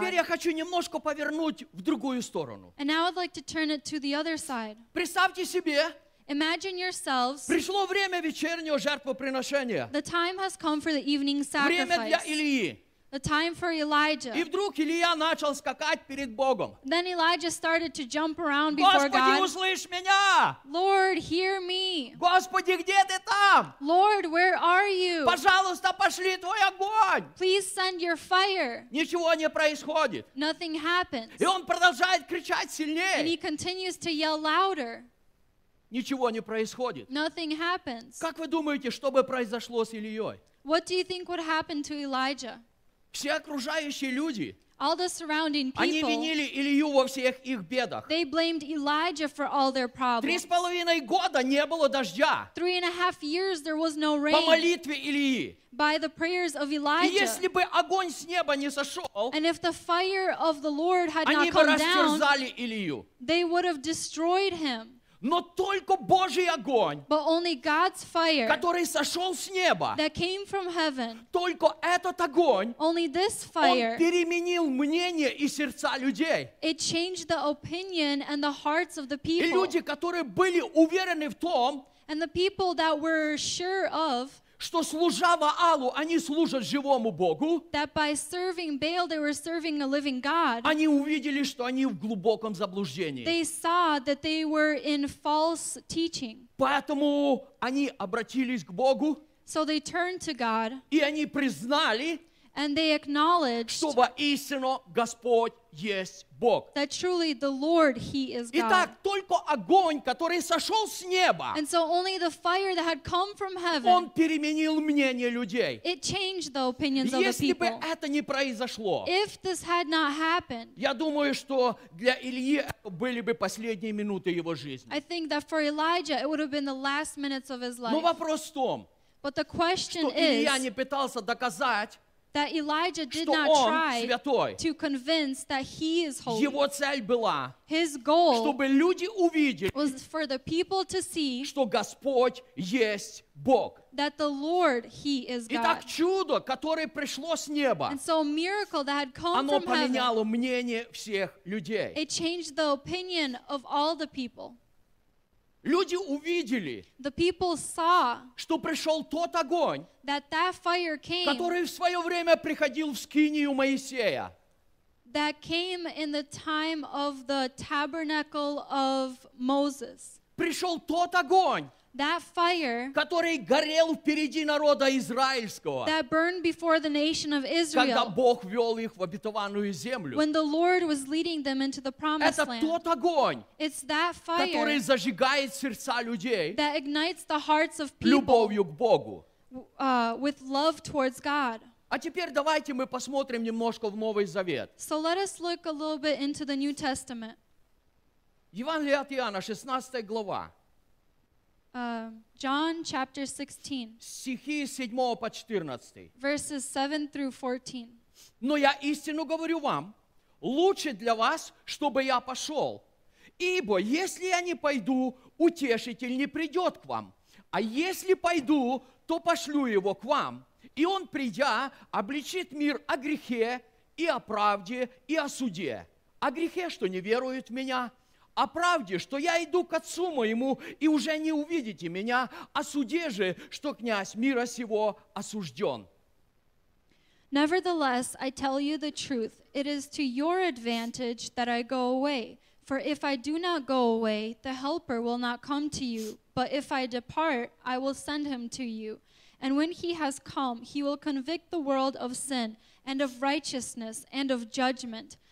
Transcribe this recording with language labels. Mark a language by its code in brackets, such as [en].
[ru] Теперь я хочу немножко повернуть в другую сторону. [en] And now I'd like to turn it to the other side. [ru] Представьте себе. [en] Imagine yourselves. [ru] Пришло время вечернего жертвоприношения. [en] The time has come for the evening sacrifice. [ru] Время для Илии. [en] The time for Elijah. [ru] И вдруг Илия начал скакать перед Богом. [en] Then Elijah started to jump around before God. [ru] Господи, услышь меня! [en] Lord, hear me. [ru] Господи, где ты там? [en] Lord, where are you? [ru] Пожалуйста, пошли твой огонь. [en] Please send your fire. [ru] Ничего не происходит. [en] Nothing happens. [ru] И он продолжает кричать сильнее. [en] And he continues to yell louder. [ru] Ничего не происходит. [en] Nothing happens. [ru] Как вы думаете, что бы произошло с Ильей? [en] What do you think would happen to Elijah? [ru] Все окружающие люди, [en] all the surrounding people, [ru] они винили Илью во всех их бедах. [en] They blamed Elijah for all their problems. [ru] 3.5 года не было дождя. [en] 3.5 years there was no rain. [ru] По молитве Ильи. [en] By the prayers of Elijah. [ru] И если бы огонь с неба не сошел, [en] and if the fire of the Lord had [ru] они [en] not come [ru] бы растерзали Илью. [en] They would have destroyed him. [ru] Но только Божий огонь, [en] but only God's fire, [ru] который сошел с неба, [en] that came from heaven, [ru] только этот огонь, [en] only this fire, [ru] он переменил мнение и сердца людей. [en] It changed the opinion and the hearts of the people. [ru] И люди, которые были уверены в том, [en] and the people that were sure of, [ru] что служа Ваалу, они служат живому Богу, [en] that by serving Baal, they were serving a living God. [ru] Они увидели, что они в глубоком заблуждении. [en] They saw that they were in false teaching. [ru] Поэтому они обратились к Богу, [en] so they turned to God, [ru] и они признали, [en] and they acknowledged, [ru] что воистину Господь есть Бог. [en] That truly the Lord, He is God. [ru] Итак, только огонь, который сошел с неба, [en] and so only the fire that had come from heaven, [ru] он переменил мнение людей. [en] It changed the opinions [ru] если [en] of the people. [ru] Если бы это не произошло, [en] if this had not happened, [ru] я думаю, что для Ильи это были бы последние минуты его жизни. [en] I think that for Elijah, it would have been the last minutes of his life. [ru] Но вопрос в том, [en] but the question [ru] что Илья не пытался доказать, [en] that Elijah did not try to convince that he is holy. [ru] Его цель была, [en] his goal, [ru] чтобы люди увидели, [en] was for the people to see, [ru] что Господь есть Бог. [en] That the Lord, He is God. [ru] Итак, чудо, которое пришло с неба, [en] and so a miracle that had come [ru] оно [en] from [ru] поменяло [en] heaven, [ru] мнение всех людей. [en] It changed the opinion of all the people. [ru] Люди увидели, [en] the people saw, [ru] что пришел тот огонь, [en] that that fire came, [ru] который в свое время приходил в скинию Моисея. [en] That came in the time of the tabernacle of Moses. [ru] Пришел тот огонь, [en] That fire, [ru] который горел впереди народа израильского, [en] that burned before the nation of Israel, [ru] когда Бог вел их в обетованную землю, [en] when the Lord was leading them into the promised land, [ru] это тот огонь, [en] it's that fire, [ru] который зажигает сердца людей, [en] that ignites the hearts of people, [ru] любовью к Богу, [en] with love towards God. [ru] А теперь давайте мы посмотрим немножко в Новый Завет. [en] So let us look a little bit into the New Testament. [ru] Евангелие от Иоанна, 16 глава. [en] John chapter 16. [ru] Стихи с 7 по 14. [en] Verses 7 through 14. [ru] Но я истину говорю вам, лучше для вас, чтобы я пошел. Ибо если я не пойду, утешитель не придет к вам. А если пойду, то пошлю его к вам. И он, придя, обличит мир о грехе и о правде и о суде. О грехе, что не веруют в меня. О правде, что я иду к Отцу моему, и уже не увидите меня. О суде же, что князь мира сего осужден. [en] Nevertheless, I tell you the truth. It is to your advantage that I go away. For if I do not go away, the Helper will not come to you. But if I depart, I will send him to you. And when he has come, he will convict the world of sin, and of righteousness, and of judgment.